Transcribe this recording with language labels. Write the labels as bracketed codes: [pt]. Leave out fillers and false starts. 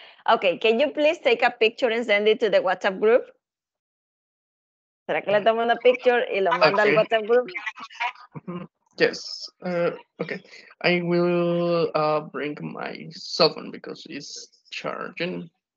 [en] Okay, can you please take a picture and send it to the WhatsApp group? [es] ¿Será que le tomo una picture y lo mando al WhatsApp group? [en] Yes, okay. I will bring my cell phone because it's charging.